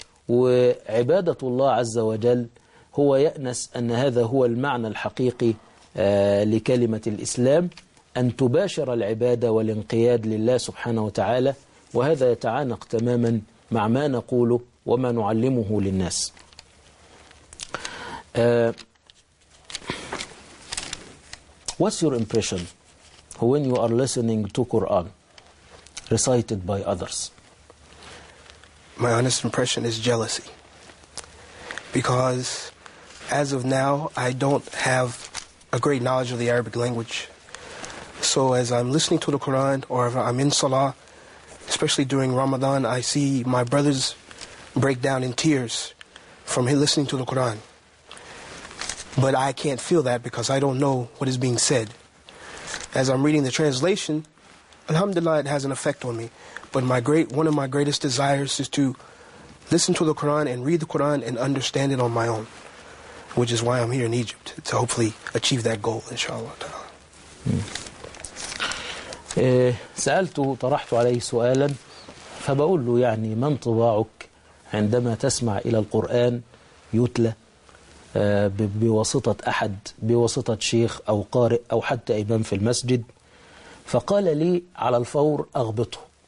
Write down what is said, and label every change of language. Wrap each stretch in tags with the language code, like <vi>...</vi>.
<ar>وعبادة الله عز وجل هو يأنس أن هذا هو المعنى الحقيقي لكلمة الإسلام، أن تباشر العبادة والانقياد لله سبحانه وتعالى، وهذا يتعانق تماما مع ما نقوله وما نعلمه للناس.</ar> <en>What's your impression when you are listening to Quran recited by others? My honest impression is jealousy. Because as of now, I don't have a great knowledge of the Arabic language. So as I'm listening to the Quran or if I'm in Salah, especially during Ramadan, I see my brothers break down in tears from listening to the Quran. But I can't feel that because I don't know what is being said. As I'm reading the translation, alhamdulillah, it has an effect on me. But one of my greatest desires is to listen to the Quran and read the Quran and understand it on my own, which is why I'm here in Egypt, to hopefully achieve that goal, inshallah ta'ala.</en> <ar>سألته طرحت عليه سؤالا فبقول له يعني ما انطباعك عندما تسمع إلى القرآن يتلى بواسطة أحد، بواسطة شيخ أو قارئ أو حتى إمام في المسجد؟ فقال لي على الفور أغبطه.</ar>